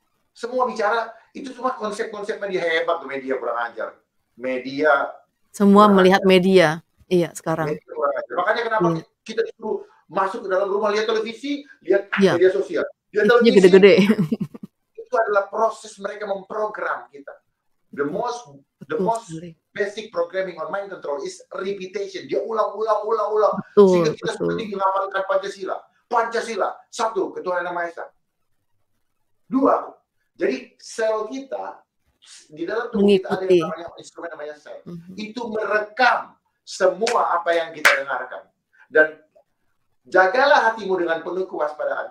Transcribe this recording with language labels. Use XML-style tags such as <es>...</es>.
<id>Semua bicara, itu cuma konsep-konsep media hebat tuh media kurang ajar. Media semua melihat media, iya sekarang. Makanya kenapa kita disuruh masuk ke dalam rumah lihat televisi, lihat media sosial. Lihat televisi gede-gede. Itu adalah proses mereka memprogram kita.</id> <en>The most basic programming on mind control is repetition.</en> <id>Dia ulang. Betul, sehingga kita seperti mengamalkan Pancasila. Satu, ketuhanan yang maha esa. Dua, jadi sel kita di dalam tubuh kita ada yang namanya instrumen namanya sel. Itu merekam semua apa yang kita dengarkan. Dan jagalah hatimu dengan penuh kewaspadaan.</id>